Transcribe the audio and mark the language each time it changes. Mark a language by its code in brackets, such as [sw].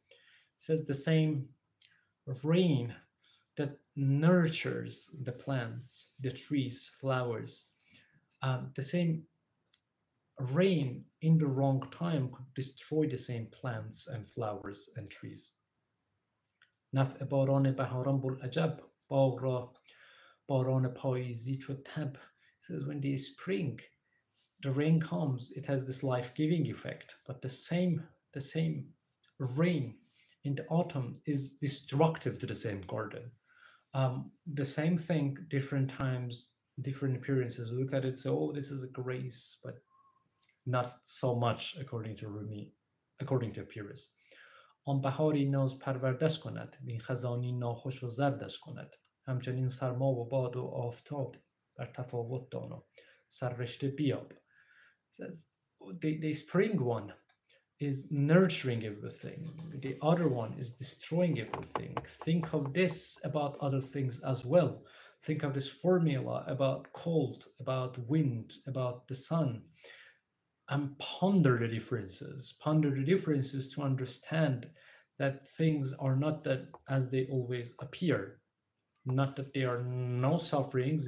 [en] It says the same rain that nurtures the plants, the trees, flowers, the same rain in the wrong time could destroy the same plants and flowers and trees. [fa] نفع باران بهاران بلعجب باغ را باران پاییزی چو تب. [en] It says when the spring, the rain comes, it has this life-giving effect. But the same rain in the autumn is destructive to the same garden. The same thing, different times, different appearances. Look at it, so oh, this is a grace, but not so much according to Rumi, according to appearance. [fa] آن بهاری ناز پروردش کند وین خزانی ناخوش و زردش کند همچنین سرما و باد و آفتاب بر تفاوت دان و سررشته بیاب. [en] Says the spring one is nurturing everything, the other one is destroying everything. Think of this about other things as well. Think of this formula about cold, about wind, about the sun, and ponder the differences to understand that things are not that as they always appear, not that there are no sufferings.